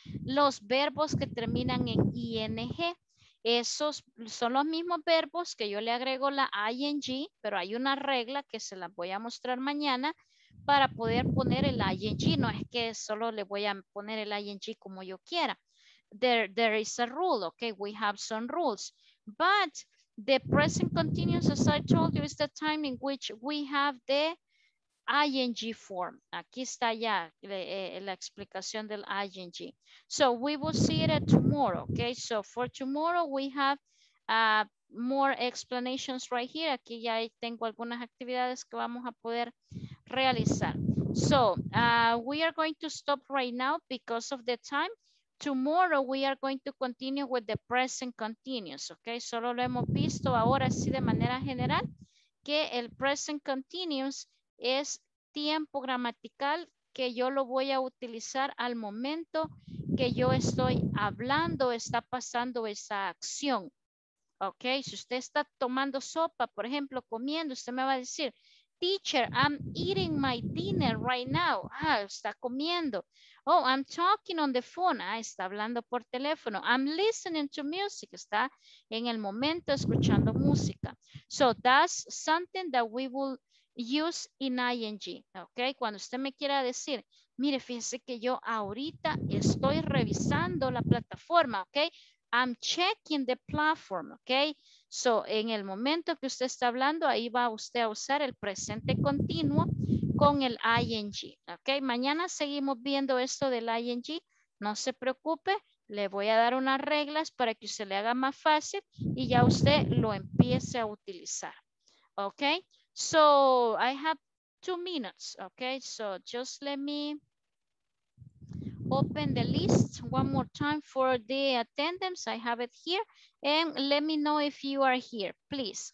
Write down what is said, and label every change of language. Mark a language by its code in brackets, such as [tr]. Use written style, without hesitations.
[es] Los verbos que terminan en ing, esos son los mismos verbos que yo le agrego la ing, pero hay una regla que se la voy a mostrar mañana para poder poner el ing. No es que solo le voy a poner el ing como yo quiera. [en] There is a rule, okay? We have some rules. But the present continuous, as I told you, is the time in which we have the ing form. [es] Aquí está ya la explicación del ing. [en] So we will see it tomorrow. Okay, so for tomorrow we have more explanations right here. [es] Aquí ya tengo algunas actividades que vamos a poder realizar. [en] So we are going to stop right now because of the time. Tomorrow we are going to continue with the present continuous. [es] Okay, solo lo hemos visto ahora sí de manera general que el present continuous es tiempo gramatical que yo lo voy a utilizar al momento que yo estoy hablando, está pasando esa acción. Ok, si usted está tomando sopa, por ejemplo, comiendo, usted me va a decir, [en] teacher, I'm eating my dinner right now. [es] Ah, está comiendo. [en] Oh, I'm talking on the phone. [es] Ah, está hablando por teléfono. [en] I'm listening to music. [es] Está en el momento escuchando música. [en] So that's something that we will use in ing, ok. [es] Cuando usted me quiera decir, mire, fíjese que yo ahorita estoy revisando la plataforma, ok. [en] I'm checking the platform, ok. So, [es] en el momento que usted está hablando, ahí va usted a usar el presente continuo con el ing, ok. Mañana seguimos viendo esto del ing, no se preocupe, le voy a dar unas reglas para que se le haga más fácil y ya usted lo empiece a utilizar, ok. [en] So I have 2 minutes, okay? So just let me open the list one more time for the attendance. I have it here. And let me know if you are here, please.